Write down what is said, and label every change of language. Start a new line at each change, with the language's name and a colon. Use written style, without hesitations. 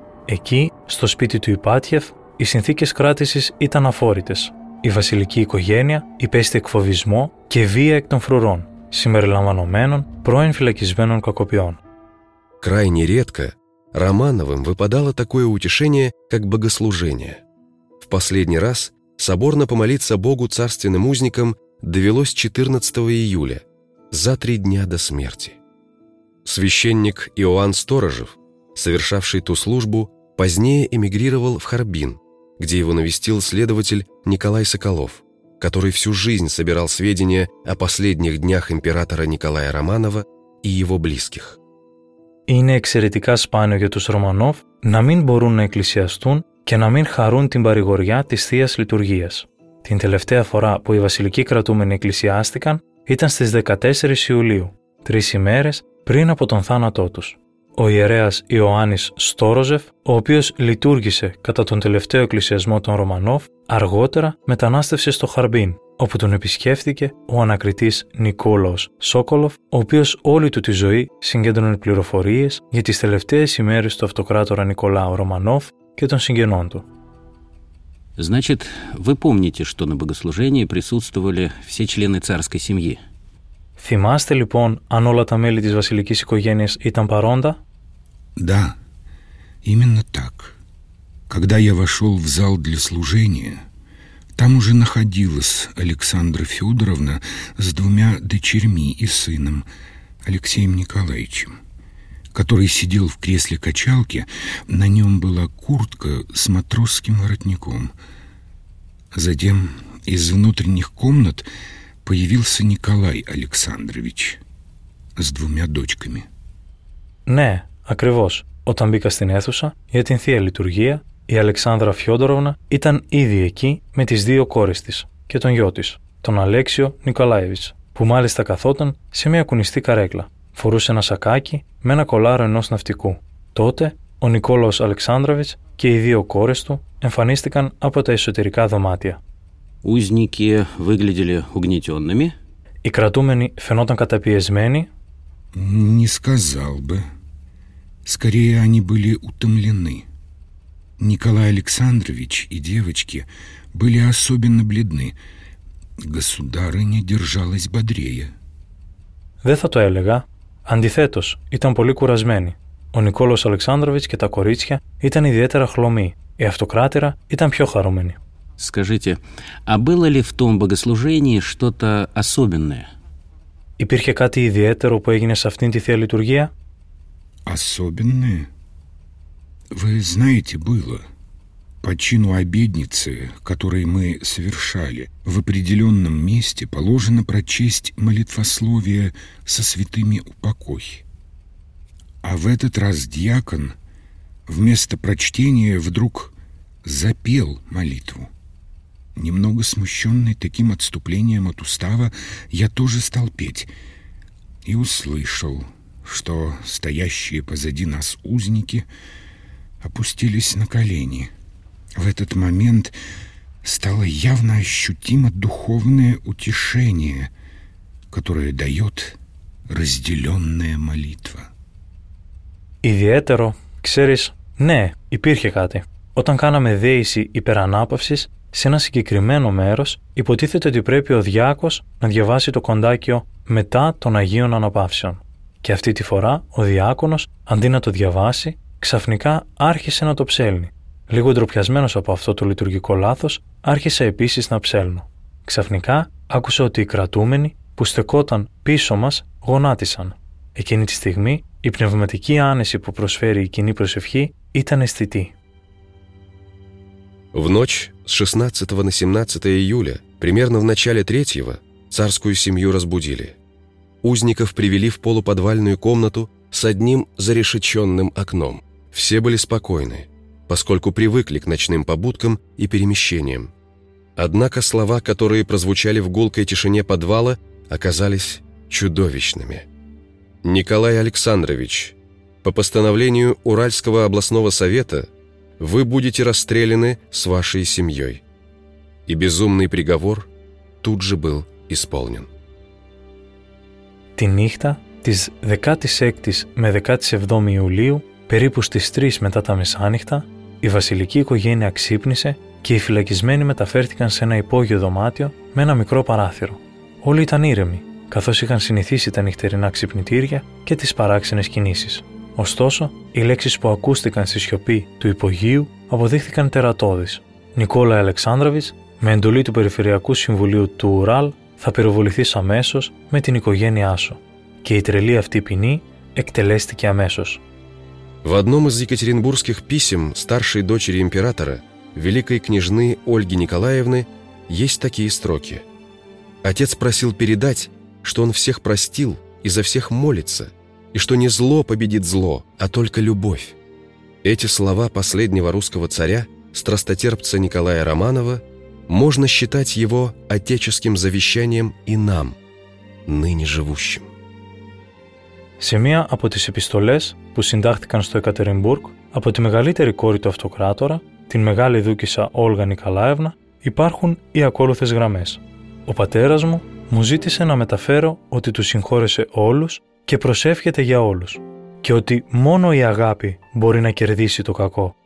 Greek: Εκεί, στο σπίτι του Ιπάτιεφ, οι συνθήκες κράτησης ήταν αφόρητες. Η βασιλική οικογένεια υπέστη εκφοβισμό και βία εκ των φρουρών, συμπεριλαμβανομένων πρώην φυλακισμένων κακοποιών.
Russian: Крайне редко Романовым выпадало такое утешение, как богослужение. В последний раз соборно помолиться Богу царственным узникам довелось 14 июля, за три дня до смерти. Священник Иоанн Сторожев, совершавший ту службу, позднее эмигрировал в Харбин, где его навестил следователь Николай Соколов, который всю жизнь собирал сведения о последних днях императора Николая Романова и его близких.
Greek: Είναι εξαιρετικά σπάνιο για τους Ρωμανόφ να μην μπορούν να εκκλησιαστούν και να μην χαρούν την παρηγοριά της Θείας Λειτουργίας. Την τελευταία φορά που οι βασιλικοί κρατούμενοι εκκλησιάστηκαν ήταν στις 14 Ιουλίου, τρεις ημέρες πριν από τον θάνατό τους. Ο ιερέας Ιωάννης Στόροζεφ, ο οποίος λειτουργήσε κατά τον τελευταίο εκκλησιασμό των Ρωμανόφ, αργότερα μετανάστευσε στο Χαρμπίν, όπου τον επισκέφθηκε ο ανακριτής Νικόλαος Σόκολοφ, ο οποίος όλη του τη ζωή συγκέντρωνε πληροφορίες για τις τελευταίες ημέρες του αυτοκράτορα Νικολάου Ρωμανόφ και των συγγενών του.
Russian: Значит, вы помните, что на богослужении присутствовали все члены царской семьи?
Greek: Θυμάστε λοιπόν αν όλα τα μέλη της βασιλικής οικογένειας ήταν παρόντα?
Russian: Да, именно так. Когда я вошел в зал для служения, там уже находилась Александра Федоровна с двумя дочерьми и сыном Алексеем Николаевичем, который сидел в кресле качалки, на нем была куртка с матросским воротником. Затем из внутренних комнат появился Николай Александрович с двумя дочками.
Greek: Ναι, ακριβώς. Όταν μπήκα στην αίθουσα για την Θεία Λειτουργία, η Αλεξάνδρα Φιόντοροβνα ήταν ήδη εκεί με τις δύο κόρες της και τον γιο της, τον Αλέξιο Νικολάεβιτς, που μάλιστα καθόταν σε μια κουνιστή καρέκλα. Φορούσε ένα σακάκι με ένα κολάρο ενός ναυτικού. Τότε ο Νικόλαος Αλεξάνδραβιτς και οι δύο κόρες του εμφανίστηκαν από τα εσωτερικά δωμάτια.
Russian: Узники выглядели угнетенными.
Greek: Οι κρατούμενοι φαινόταν καταπιεσμένοι.
Russian: Не сказал бы. Скорее они были утомлены. Николай Александрович и девочки были особенно бледны. Государыня держалась бодрее.
Greek: Δεν θα το έλεγα. Αντιθέτως, ήταν πολύ κουρασμένοι. Ο Νικόλαος Αλεξάνδροβιτς και τα κορίτσια ήταν ιδιαίτερα χλωμοί. Η αυτοκράτηρα ήταν πιο χαρούμενη.
Russian: Скажите, а было ли в том богослужении что-то особенное?
Greek: Υπήρχε κάτι ιδιαίτερο που έγινε σε αυτήν τη θεία λειτουργία?
Russian: Особенное? Вы знаете, было. По чину обедницы, которую мы совершали, в определенном месте положено прочесть молитвословие со святыми упокой. А в этот раз дьякон вместо прочтения вдруг запел молитву. Немного смущенный таким отступлением от устава, я тоже стал петь и услышал, что стоящие позади нас узники опустились на колени. В этот момент стало явно ощутимо духовное утешение, которое дает разделенная молитва.
Greek: Ιδιαίτερο, ξέρεις, ναι, υπήρχε κάτι. Όταν κάναμε δέηση υπερανάπαυσης σε ένα συγκεκριμένο μέρος, υποτίθεται ότι πρέπει ο διάκος να διαβάσει το κοντάκιο «Μετά των Αγίων Αναπαύσεων». Και αυτή τη φορά ο διάκονος, αντί να το διαβάσει, ξαφνικά άρχισε να το ψέλνει. Λίγο ντροπιασμένος από αυτό το λειτουργικό λάθος, άρχισε επίσης να ψέλνω. Ξαφνικά άκουσε ότι οι κρατούμενοι που στεκόταν πίσω μας γονάτισαν. Εκείνη τη στιγμή η πνευματική άνεση που προσφέρει η κοινή προσευχή ήταν αισθητή.
Russian: В ночь с 16 на 17 июля, примерно в начале 3-го, царскую семью разбудили. Узников привели в полуподвальную комнату с одним зарешеченным окном. Все были спокойны, поскольку привыкли к ночным побудкам и перемещениям. Однако слова, которые прозвучали в гулкой тишине подвала, оказались чудовищными. «Николай Александрович, по постановлению Уральского областного совета вы будете расстреляны с вашей семьей». И безумный приговор тут же был исполнен.
Greek: Τη νύχτα της 16ης με 17ης Ιουλίου, περίπου στις 3 μετά τα μεσάνυχτα, η βασιλική οικογένεια ξύπνησε και οι φυλακισμένοι μεταφέρθηκαν σε ένα υπόγειο δωμάτιο με ένα μικρό παράθυρο. Όλοι ήταν ήρεμοι, καθώς είχαν συνηθίσει τα νυχτερινά ξυπνητήρια και τις παράξενες κινήσεις. Ωστόσο, οι λέξεις που ακούστηκαν στη σιωπή του υπογείου αποδείχθηκαν τερατώδεις. Νικόλα Αλεξάνδραβης, με εντολή του Περιφερειακού Συμβουλίου του Ουράλ, θα πυροβοληθείς αμέσως με την οικογένειά σου. Και η τρελή αυτή ποινή εκτελέστηκε αμέσως.
Russian: В одном из екатеринбургских писем старшей дочери императора, великой княжны Ольги Николаевны, есть такие строки. Отец просил передать, что он всех простил и за всех молится, и что не зло победит зло, а только любовь. Эти слова последнего русского царя, страстотерпца Николая Романова, можно считать его отеческим завещанием и нам, ныне живущим.
Greek: Σε μία από τις επιστολές που συντάχθηκαν στο Εκατερινμπούργκ από τη μεγαλύτερη κόρη του αυτοκράτορα, την μεγάλη δούκισσα Όλγα Νικολάευνα, υπάρχουν οι ακόλουθες γραμμές. Ο πατέρας μου μου ζήτησε να μεταφέρω ότι του συγχώρεσε όλους και προσεύχεται για όλους και ότι μόνο η αγάπη μπορεί να κερδίσει το κακό.